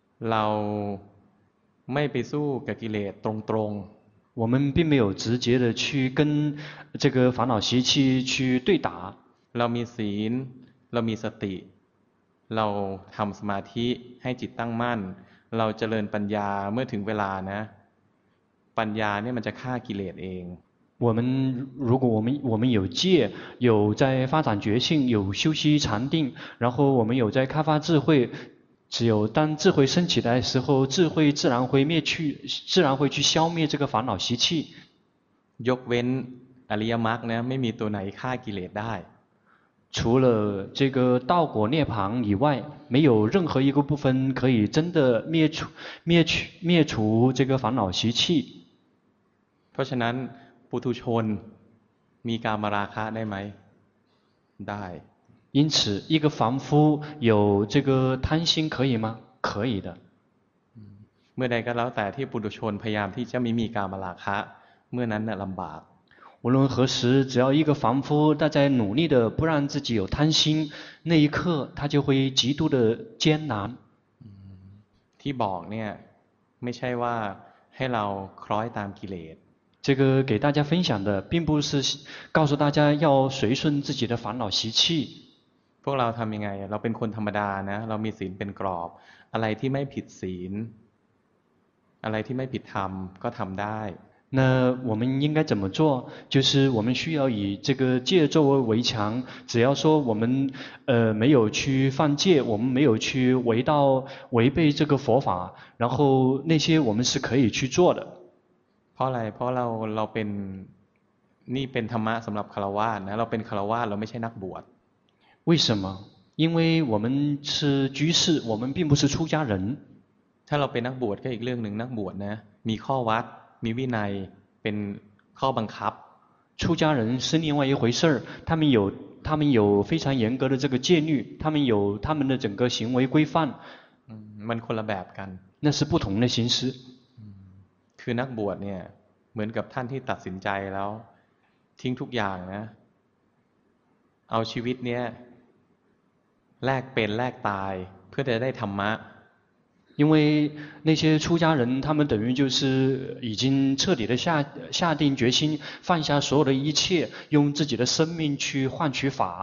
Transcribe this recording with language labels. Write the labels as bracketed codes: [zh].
[th] เราไม่ไปสู้กับกิเลสตรงๆ [zh] 我们并没有直接的去跟这个烦恼习气去对打 [th] เรามีศีลเรามีสติเราทำสมาธิให้จิตตั้งมั่นเราเจริญปัญญาเมื่อถึงเวลานะปัญญาเนี่ยมันจะฆ่ากิเลสเอง [zh] 我们如果我们有戒，有在发展觉性，有修习禅定，然后我们有在开发智慧，只有当智慧升起的时候，智慧自然会灭去，自然会去消灭这个烦恼习气。 [th] ยกเว้นอริยมรรคนะไม่มีตัวไหนฆ่ากิเลสได้ [zh] 除了这个道果涅槃以外，没有任何一个部分可以真的灭除这个烦恼习气。 [th] เพราะฉะนั้นปุถุชนมีกามราคะได้ไหมได้ [zh] 因此一个凡夫有这个贪心可以吗可以的 [th] เมื่อใดก็แล้วแต่ที่ปุถุชนพยายามที่จะไม่มีกามราคะเมื่อนั้นน่ะลำบาก [zh] 无论何时只要一个凡夫他在努力的不让自己有贪心那一刻他就会极度的艰难 [th] ที่บอกเนี่ยไม่ใช่ว่าให้เราคล้อยตามกิเลส [zh] 这个给大家分享的并不是告诉大家要随顺自己的烦恼习气 [th] พวกเราทำยังไงเราเป็นคนธรรมดานะเรามีศีลเป็นกรอบอะไรที่ไม่ผิดศีลอะไรที่ไม่ผิดธรรมก็ทำได้ [zh] 那我们应该怎么做就是我们需要以这个戒作为围墙只要说我们没有去犯戒我们没有去违背这个佛法然后那些我们是可以去做的 [th] เพราะอะไรเพราะเราเป็นนี่เป็นธรรมะสำหรับฆราวาสนะเราเป็นฆราวาสเราไม่ใช่นักบวช [zh] 为什么因为我们是居士我们并不是出家人 [th] ถ้าเราเป็นนักบวชก็อีกเรื่องหนึ่งนักบวชนะมีข้อวัดมีวินัยเป็นข้อบังคับ [zh] 出家人是另外一回事他们有非常严格的这个戒律他们有他们的整个行为规范 [th] มันคนละแบบกัน [zh] 那是不同的形式 [th] คือนักบวชเนี่ยเหมือนกับท่านที่ตัดสินใจแล้วทิ้งทุกอย่างนะเอาชีวิตเนี้ยแลกเป็นแลกตายเพื่อจะได้ธรรมะ [zh] 因为那些出家人他们等于就是已经彻底的下定决心放下所有的一切用自己的生命去换取法